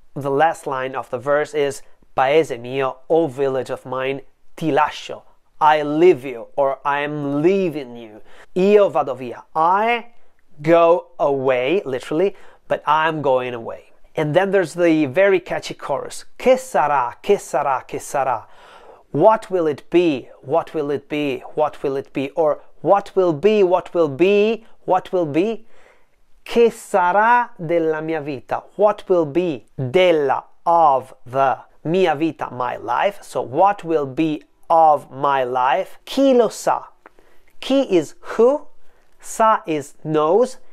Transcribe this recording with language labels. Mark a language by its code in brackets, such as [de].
[en] The last line of the verse is [it] Paese mio, [en] o village of mine, [it] ti lascio, [en] I leave you, or I am leaving you. [it] Io vado via, [en] I go away, literally, but I'm going away. And then there's the very catchy chorus. [it] Che sarà, che sarà, che sarà. [en] What will it be, what will it be, what will it be, or what will be, what will be, what will be? [it] Che sarà della mia vita? [en] What will be [it] della, [en] of, the, [it] mia vita, [en] my life? So what will be of my life? [it] Chi lo sa? Chi [en] is who? [it] Sa [en] is knows,